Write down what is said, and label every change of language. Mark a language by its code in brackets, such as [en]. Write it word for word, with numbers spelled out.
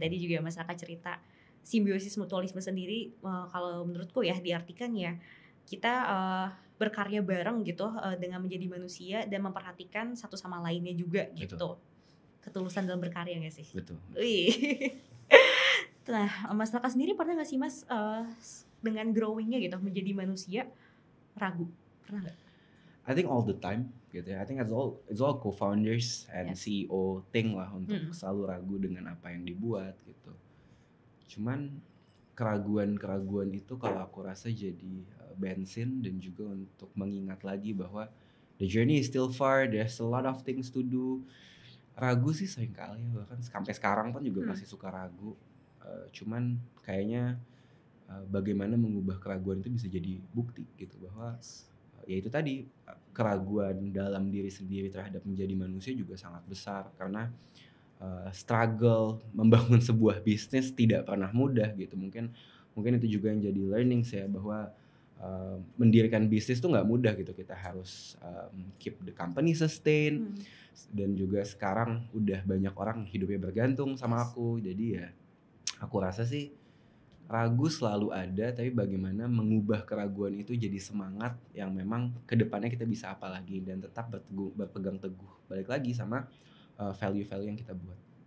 [id] Tadi juga mas Aka cerita simbiosis mutualisme sendiri, eh, kalau menurutku ya diartikan ya kita eh, berkarya bareng gitu, eh, dengan menjadi manusia dan memperhatikan satu sama lainnya juga gitu. Ketulusan dalam berkarya gak sih? Betul. Wih. Nah, Mas Raka sendiri pernah gak sih Mas eh, s- dengan growingnya gitu menjadi manusia ragu? Pernah gak? [en] I think all the time [id] gitu ya. [en] I think it's all it's all co-founders and Yes. C E O thing [id] lah untuk Mm-mm. selalu ragu dengan apa yang dibuat gitu. Cuman keraguan-keraguan itu kalau aku rasa jadi uh, bensin dan juga untuk mengingat lagi bahwa [en] the journey is still far, there's a lot of things to do. [id] Ragu sih sering kali ya, bahkan sampai sekarang pun juga Hmm. masih suka ragu. Uh, cuman kayaknya uh, bagaimana mengubah keraguan itu bisa jadi bukti gitu, bahwa [en] Yes. [id] ya itu tadi, keraguan dalam diri sendiri terhadap menjadi manusia juga sangat besar karena uh, struggle membangun sebuah bisnis tidak pernah mudah gitu. Mungkin mungkin itu juga yang jadi learning saya, bahwa uh, mendirikan bisnis tuh nggak mudah gitu. Kita harus [en] um, keep the company sustain, Hmm. [id] dan juga sekarang udah banyak orang hidupnya bergantung sama [en] Yes. [id] aku. Jadi ya aku rasa sih ragu selalu ada, tapi bagaimana mengubah keraguan itu jadi semangat yang memang kedepannya kita bisa apa lagi, dan tetap berteguh, berpegang teguh balik lagi sama uh, value-value yang kita buat.